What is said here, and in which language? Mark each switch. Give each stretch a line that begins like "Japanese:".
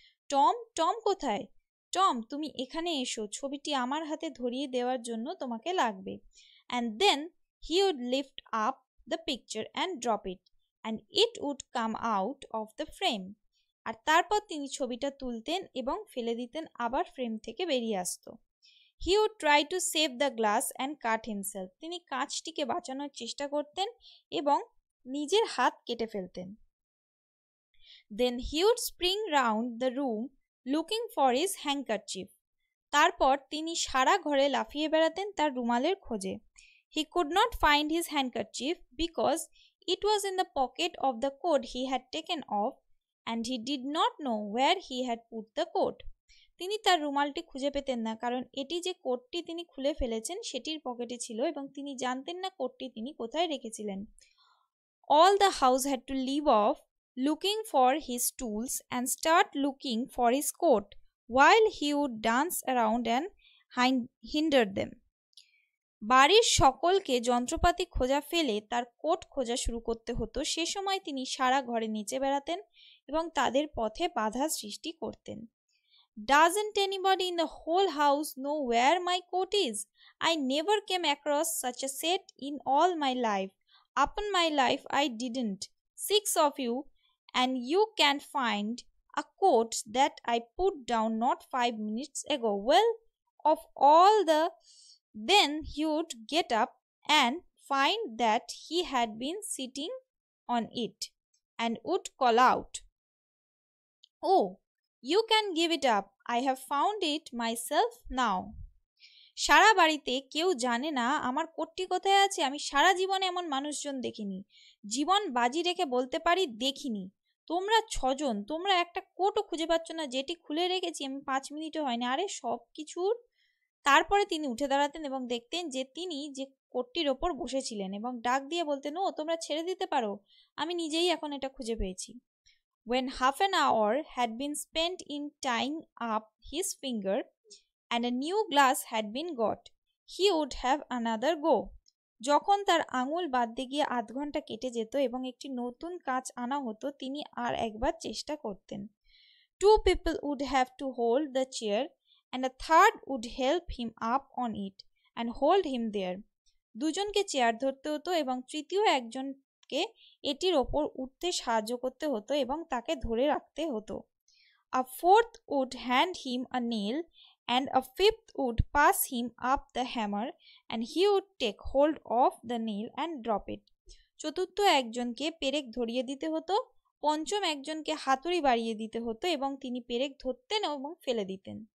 Bangla: Tom, Tom কোথায়? Tom, তুমি এখানে এসো, ছবিটি আমার হাতে ধরিয়ে দেওয়ার জন্য তোমাকে লাগবে।
English: And then he would lift up the picture and drop it and it would come out of the frame.
Bangla: আর তারপর তিনি ছবিটা তুলতেন এবং ফেলে দিতেন আবার ফ্রেম থেকে বেরিয়ে আসতো।
English: He would try to save the glass and cut himself.
Bangla: তিনি কাঁচটিকে বাঁচানোর চেষ্টা করতেন এবং নিজের হাত কেটে ফেলতেন।
English: Then he would spring round the room looking for his handkerchief.
Bangla: তারপর তিনি সারা ঘরে লাফিয়ে বেড়াতেন তার রুমালের খোঁজে।
English: He could not find his handkerchief because it was in the pocket of the coat he had taken off and he did not know where he had put the coat.
Bangla: তিনি তার রুমালটি খুঁজে পেতেন না কারণ এটি যে কোটটি তিনি খুলে ফেলেছেন সেটির পকেটে ছিল এবং তিনি জানতেন না কোটটি তিনি কোথায় রেখেছিলেন।
English: All the house had to leave off looking for his tools and start looking for his coat while he would dance around and hinder them.
Bangla: বাড়ির সকলকে যন্ত্রপাতি খোঁজা ফেলে তার কোট খোঁজা শুরু করতে হতো। সে সময় তিনি সারা ঘরে নেচে বেড়াতেন এবং তাদের পথে বাধা সৃষ্টি করতেন।
English: Doesn't anybody in the whole house know where my coat is? I never came across such a set in all my life. Upon my life, I didn't. Six of you, and you can't find a coat that I put down not 5 minutes ago. Well, of all the... Then he would get up and find that he had been sitting on it and would call out, oh, you can give it up. I have found it myself now.
Bangla: সারা বাড়িতে কেউ জানে না আমার কোটটি কোথায় আছে। আমি সারা জীবনে এমন মানুষজন দেখিনি। জীবন বাজি রেখে বলতে পারি দেখিনি। তোমরা ছজন, তোমরা একটা কোটও খুঁজে পাচ্ছ না যেটি খুলে রেখেছি আমি 5 মিনিটও হয়নি। আরে সব কিছুর। তারপরে তিনি উঠে দাঁড়াতেন এবং দেখতেন যে তিনি যে কোটটির ওপর বসেছিলেন এবং ডাক দিয়ে বলতেন, ও তোমরা ছেড়ে দিতে পারো, আমি নিজেই এখন এটা খুঁজে পেয়েছি।
English: When half an hour had been spent in tying up his finger and a new glass had been got, he would have another go.
Bangla: যখন তার আঙুল বাঁধতে গিয়ে আধ ঘন্টা কেটে যেত এবং একটি নতুন কাঁচ আনা হতো, তিনি আর একবার চেষ্টা করতেন।
English: Two people would have to hold the chair and a third would help him up on it and hold him there.
Bangla: দুজনকে চেয়ার ধরতে হতো এবং তৃতীয় একজন কে এটির ওপর উঠতে সাহায্য করতে হতো এবং তাকে ধরে রাখতে হতো।
English: A fourth would hand him a nail and a fifth would pass him up the hammer and he would take hold of the nail and drop it.
Bangla: চতুর্থ একজনকে পেরেক ধরিয়ে দিতে হতো, পঞ্চম একজনকে হাতুড়ি বাড়িয়ে দিতে হতো এবং তিনি পেরেক ধরতেন এবং ফেলে দিতেন।